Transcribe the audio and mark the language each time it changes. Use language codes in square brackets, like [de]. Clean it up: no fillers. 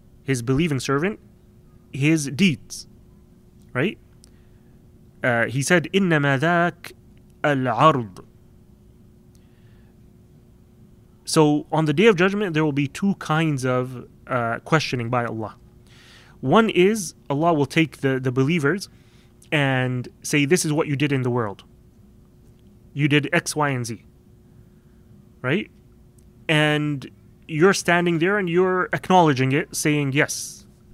[en] his believing servant, his deeds, right? He said, [ar] إِنَّمَا ذَاكَ الْعَرْضِ. [en] So on the Day of Judgment, there will be two kinds of questioning by Allah. One is Allah will take the believers and say, this is what you did in the world. You did X, Y, and Z. Right? And you're standing there and you're acknowledging it, saying yes.